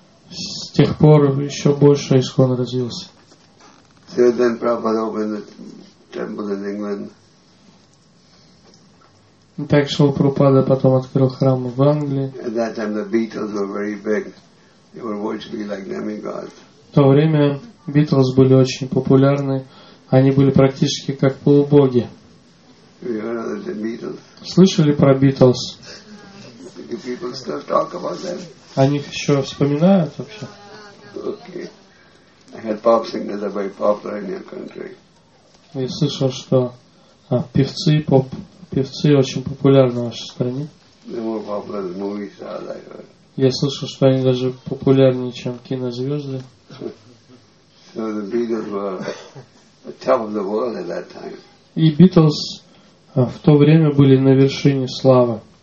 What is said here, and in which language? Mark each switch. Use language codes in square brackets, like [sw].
[ru] С тех пор еще больше ИСККОН развился. [en] So then Prabhupada opened the temple in England. [ru] Так Шрила Прабхупада потом открыл храм в Англии. [en] At that time the Beatles were very big. They were virtually like demigods. [ru] В то время Beatles были очень популярны. Они были практически как полубоги. [en] We heard of the Beatles. [ru] Слышали про Beatles? [en] Do people still talk about them? [ru] О них еще вспоминают вообще? [en] Okay. I heard pop singers are very popular in your country. [ru] Я слышал, что певцы очень популярны в вашей стране. Я слышал, что они даже популярнее, чем кинозвезды. [en] So the Beatles were top of the world at that time. [ru] И Beatles в то время были на вершине славы.